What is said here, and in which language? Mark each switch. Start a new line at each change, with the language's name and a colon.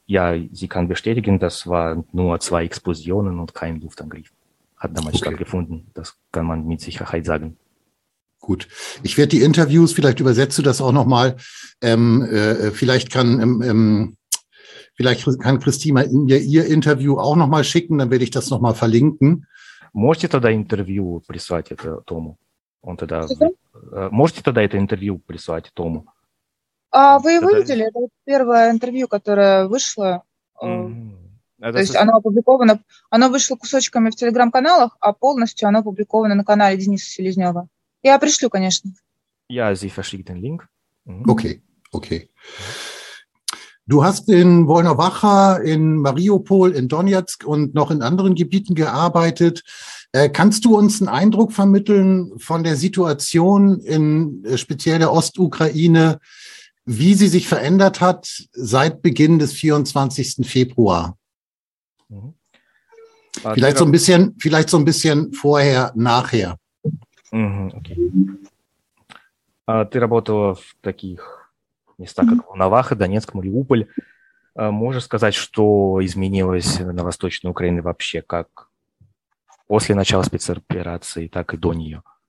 German: Ja, sie kann bestätigen, das waren nur zwei Explosionen und kein Luftangriff hat damals stattgefunden. Das kann man mit Sicherheit sagen. Gut. Ich werde die Interviews, vielleicht übersetzt du das auch nochmal. Vielleicht kann Christina ihr Interview auch nochmal schicken, dann werde ich das nochmal verlinken.
Russian: Можете тогда интервью прислать это Тому? Он тогда можете тогда это интервью прислать Тому? А вы выделили это первое интервью, которое вышло. То есть оно опубликовано. Оно вышло кусочками в телеграм-каналах, а полностью оно опубликовано на канале Дениса Селезнева. Я пришлю, конечно.
German: Ja, sie verschickt den Link. Okay, okay. Du hast in Wolnowacha, in Mariupol, in Donetsk und noch in anderen Gebieten gearbeitet. Kannst du uns einen Eindruck vermitteln von der Situation in speziell der Ostukraine, wie sie sich verändert hat seit Beginn des 24. Februar? Mhm. Vielleicht so ein bisschen vorher, nachher.
Russian: Ты работала в таких местах, как Волноваха, Донецк, Мариуполь. Можешь сказать, что изменилось на Восточной Украине вообще, как после начала спецоперации, так и до нее?